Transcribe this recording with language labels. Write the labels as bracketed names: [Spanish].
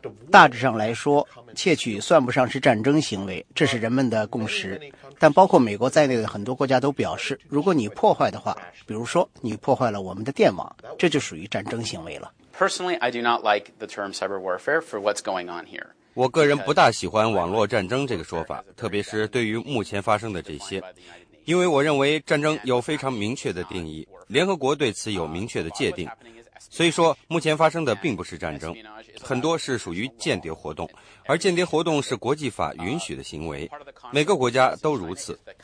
[Chinese] 大致上来说，窃取算不上是战争行为，这是人们的共识。但包括美国在内的很多国家都表示，如果你破坏的话，比如说你破坏了我们的电网，这就属于战争行为了。 [English] Personally, I do not like the term cyber warfare for what's going on here. [Chinese] 我个人不大喜欢网络战争这个说法，特别是对于目前发生的这些，因为我认为战争有非常明确的定义，联合国对此有明确的界定，所以说，目前发生的并不是战争，很多是属于间谍活动，而间谍活动是国际法允许的行为，每个国家都如此。